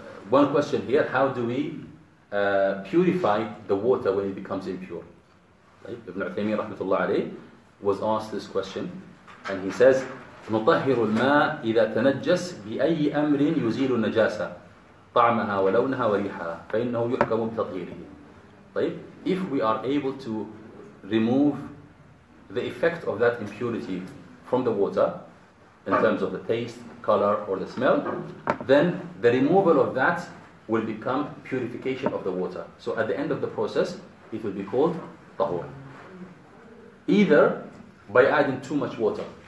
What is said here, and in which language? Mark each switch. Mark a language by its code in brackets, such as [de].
[en] One question here, how do we purify the water when it becomes impure? Right? Ibn Uthaymeen rahmatullah alayh was asked this question and he says, [ar] نطهر الماء إذا تنجس بأي أمر يزيل النجاسة طعمها ولونها وريحها فإنه يحكم بتطهيره. طيب, [en] if we are able to remove the effect of that impurity from the water in terms of the taste, color, or the smell, then the removal of that will become purification of the water. So at the end of the process, it will be called tahur. Either by adding too much water.